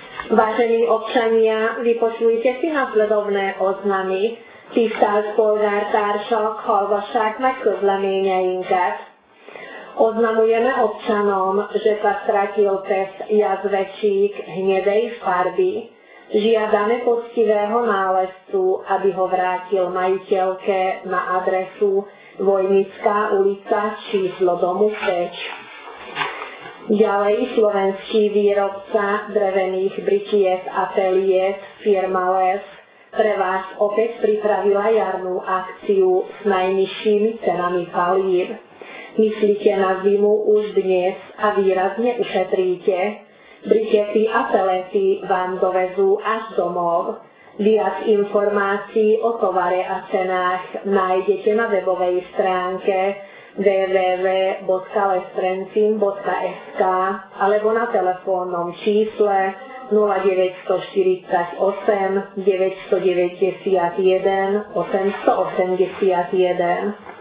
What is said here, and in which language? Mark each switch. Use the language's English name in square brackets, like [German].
[Slovak] Vážení občania, vypočujte si nasledovné oznamy. [Hungarian] Tisztelt polgártársak, hallgassák meg közleményeinket. [Slovak] Oznamujeme občanom, že kastrátil pes jazvečík hnedej farby. Žiadame poctivého nálezcu, aby ho vrátil majiteľke na adresu Vojnická ulica číslo domu 5. Ďalej slovenský výrobca drevených bričiet Ateliet firma Les pre vás opäť pripravila jarnú akciu s najnižšími cenami palív. Myslíte na zimu už dnes a výrazne ušetríte. Bričiety a pelety vám dovezú až domov. Viac informácií o tovare a cenách nájdete na webovej stránke www.lestrencin.sk alebo na telefónnom čísle 0948 991 881.